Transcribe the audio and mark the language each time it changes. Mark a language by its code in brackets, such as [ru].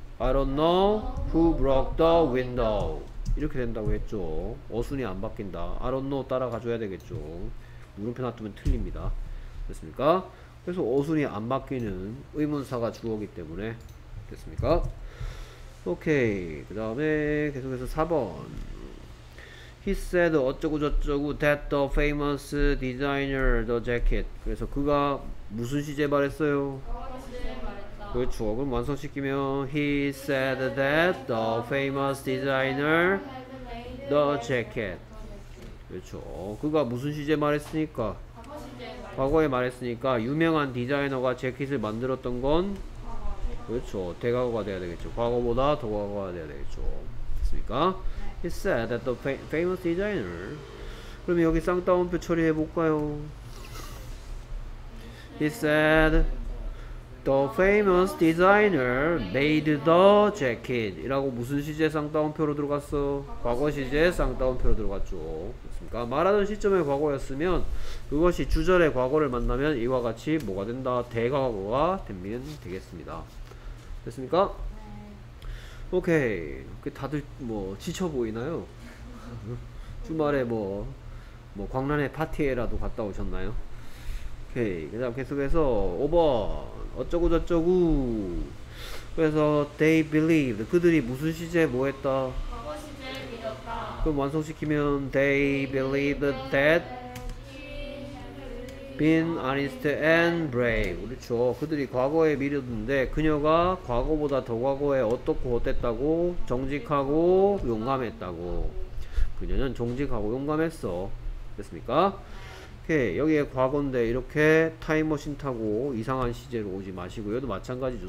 [en] I don't know who broke the window [ko] 이렇게 된다고 했죠 어순이 안 바뀐다 [en] I don't know [ko] 따라가줘야 되겠죠 물음표 놔두면 틀립니다 됐습니까? 그래서 어순이 안 바뀌는 의문사가 주어기 때문에 됐습니까? 오케이. 그 다음에 계속해서 4번. [en] He said [ko] 어쩌구저쩌구 [en] that the famous designer the jacket. [ko] 그래서 그가 무슨 시제 말했어요? 그렇죠. 그럼 완성시키면 [en] He said that the famous designer the jacket. [ko] 그렇죠. 그가 무슨 시제 말했으니까? 과거에 말했으니까 유명한 디자이너가 재킷을 만들었던 건 그렇죠. 대과거가 돼야 되겠죠. 과거보다 더 과거가 돼야 되겠죠. 됐습니까? [en] He said that the famous designer. [ko] 그럼 여기 쌍따옴표 처리해 볼까요? [en] He said the famous designer made the jacket. [ko] 이라고 무슨 시제 쌍따옴표로 들어갔어? 과거 시제 쌍따옴표로 들어갔죠. 됐습니까? 말하던 시점의 과거였으면 그것이 주절의 과거를 만나면 이와 같이 뭐가 된다? 대과거가 되겠습니다. 됐습니까? 오케이. 그 다들 뭐 지쳐 보이나요? 주말에 뭐 광란의 파티에라도 갔다 오셨나요? 오케이. 그 다음 계속해서 5번. 어쩌구저쩌구. 그래서 [en] they believed. [ko] 그들이 무슨 시제 뭐 했다? 과거 시제 믿었다. 그럼 완성시키면 [en] they believed that been honest and brave. [ko] 그렇죠. 그들이 과거에 믿었는데 그녀가 과거보다 더 과거에 어떻고 어땠다고? 정직하고 용감했다고. 그녀는 정직하고 용감했어. 됐습니까? 오케이. 여기에 과거인데 이렇게 타임머신 타고 이상한 시제로 오지 마시고, 여기도 마찬가지죠.